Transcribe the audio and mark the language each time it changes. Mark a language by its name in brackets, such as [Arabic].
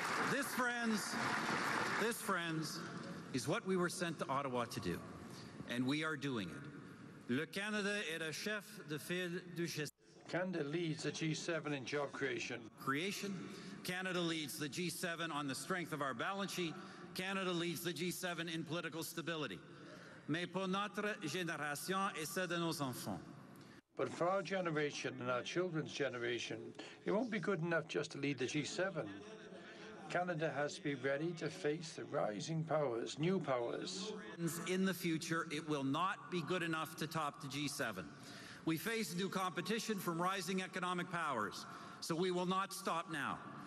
[English] This, friends, is what we were sent to Ottawa to do, and we are doing it. [French] Le Canada est le chef de file du G7. [English] Canada leads the G7 in job creation. Canada leads the G7 on the strength of our balance sheet. Canada leads the G7 in political stability. [French] Mais pour notre génération et celle de nos enfants. [English] But for our generation and our children's generation, it won't be good enough just to lead the G7. Canada has to be ready to face the rising powers, new powers. In the future, it will not be good enough to top the G7. We face new competition from rising economic powers, so we will not stop now.